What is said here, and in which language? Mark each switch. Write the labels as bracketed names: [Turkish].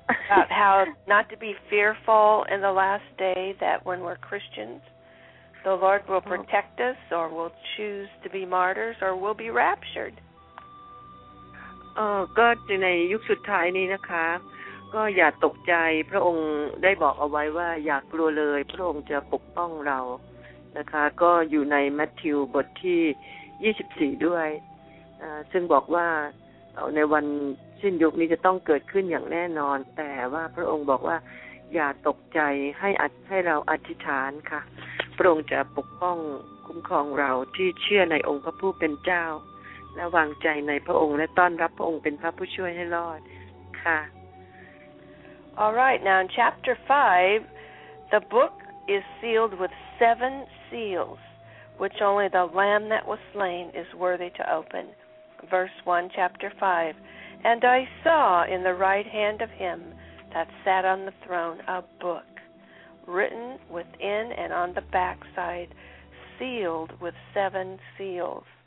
[English] About how not to be fearful in the last day, that when we're Christians, the Lord will protect us, or we'll choose to be martyrs, or we'll be raptured. [Thai] ก็ในยุคสุดท้ายนี้นะคะก็อย่าตกใจพระองค์ได้บอกเอาไว้ว่าอย่ากลัวเลยพระองค์จะปกป้องเรานะคะก็อยู่ในมัทธิวบทที่24ด้วย ซึ่งบอกว่าในวันสิ้นยุคนี้จะต้องเกิดขึ้นอย่างแน่นอนแต่ว่าพระองค์บอกว่าอย่าตกใจให้เราอธิษฐานค่ะพระองค์จะปกป้องคุ้มครองเราที่เชื่อในองค์พระผู้เป็นเจ้าและวางใจในพระองค์และต้อนรับพระองค์เป็นพระผู้ช่วยให้รอดค่ะ [English] All right, now in Chapter 5, the book is sealed with 7 seals, which only the Lamb that was slain is worthy to open. Verse 1, Chapter 5, And I saw in the right hand of him that sat on the throne a book, written within and on the backside, sealed with 7 seals.